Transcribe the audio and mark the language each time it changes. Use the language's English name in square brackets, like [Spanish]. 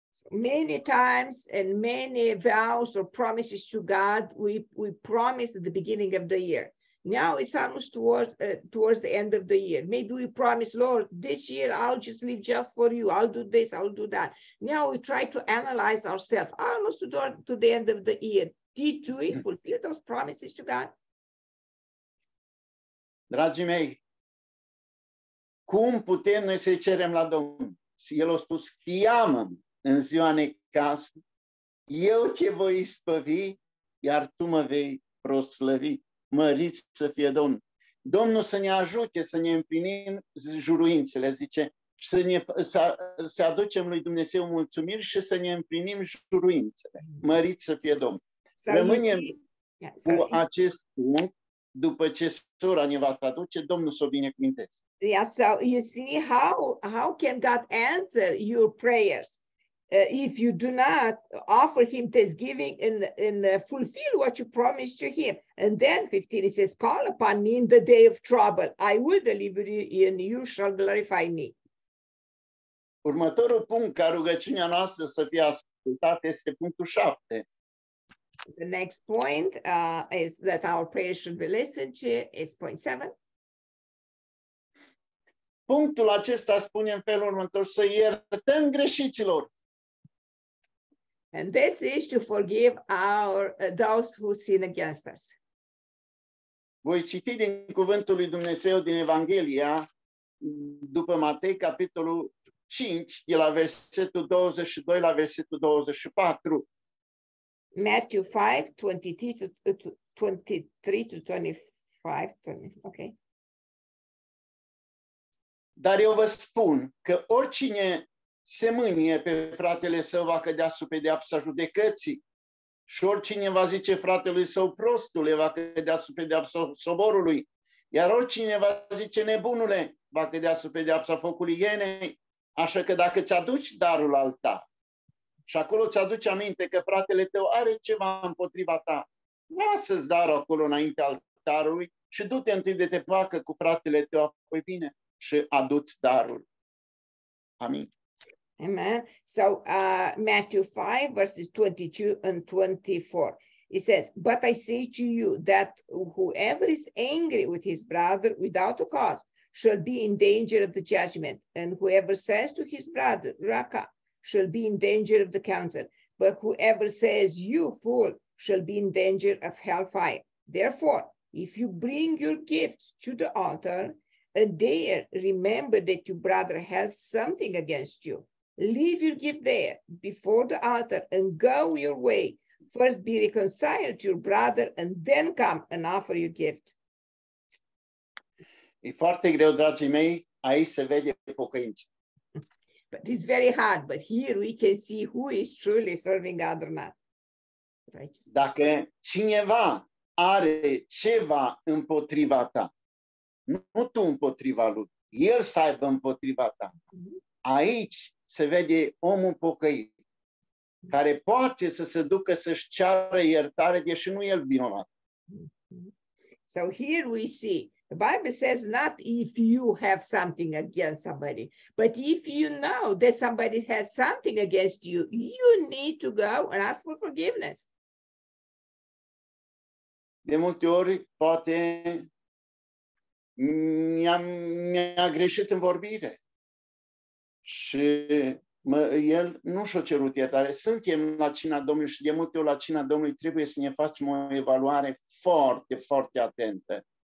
[English] Many times and many vows or promises to God we promise at the beginning of the year. Now it's almost towards the end of the year. Maybe we promise, Lord, this year I'll just live just for you. I'll do this, I'll do that. Now we try to analyze ourselves almost to the end of the year. Did we fulfill those promises to God? [Romanian] Dragii mei, cum putem noi să-i cerem la Domnul? El a spus, cheamă-mi în ziua necazului, eu te voi izbăvi, iar tu mă vei proslăvi. Măriți să fie Domnul. Domnul să ne ajute să ne împlinim juruințele, zice, să ne să aducem lui Dumnezeu mulțumiri și să ne împlinim juruințele. Măriți să fie Domnul. Rămânem cu acest punct după ce sora ne va traduce, Domnul să o binecuvinteze. [English] Yeah, so you see how can God answer your prayers if you do not offer him thanksgiving and fulfill what you promised to him? And then 15, he says, call upon me in the day of trouble. I will deliver you and you shall glorify me. [Romanian] Următorul punct ca rugăciunea noastră să fie ascultată este punctul 7. [English] The next point is that our prayer should be listened to is point 7. [Romanian] Punctul acesta spune în felul următor, să iertăm greșiților. [English] And this is to forgive our those who sin against us. [Romanian] Voi citi din cuvântul lui Dumnezeu din Evanghelia după Matei capitolul 5, de la versetul 22 la versetul 24. [English] Matthew 5, 23 to 25, okay. [Romanian] Dar eu vă spun că oricine se mânie pe fratele său va cădea sub pedeapsa judecății și oricine va zice fratelui său prostule va cădea sub pedeapsa soborului, iar oricine va zice nebunule va cădea sub pedeapsa focului ienei. Așa că dacă ți-aduci darul alta și acolo ți-aduci aminte că fratele tău are ceva împotriva ta, lasă-ți darul acolo înaintea altarului și du-te întâi de te placă cu fratele tău, apoi vine și adu-ți darul. Amin. [English] Amen. So, Matthew 5, verses 22 and 24. It says, but I say to you that whoever is angry with his brother without a cause shall be in danger of the judgment. And whoever says to his brother, Raca, shall be in danger of the council. But whoever says, you fool, shall be in danger of hellfire. Therefore, if you bring your gifts to the altar, and there remember that your brother has something against you, leave your gift there before the altar and go your way. First be reconciled to your brother and then come and offer your gift. [Romanian] E foarte greu, dragii mei, aici se vede pocăință. [English] But it's very hard, but here we can see who is truly serving God or not. Righteous. [Romanian] Dacă cineva are ceva împotriva ta, nu tu împotriva lui, el să aibă împotriva ta. Aici se vede omul pocăit, care poate să se ducă să-și ceară iertare, deși nu el vinovat. [English] So here we see, the Bible says not if you have something against somebody, but if you know that somebody has something against you, you need to go and ask for forgiveness. [Romanian] De multe ori, poate mi-a greșit în vorbire și el nu și-a cerut iertare. Suntem la cina Domnului și de multe ori la cina Domnului trebuie să ne facem o evaluare foarte, foarte atentă.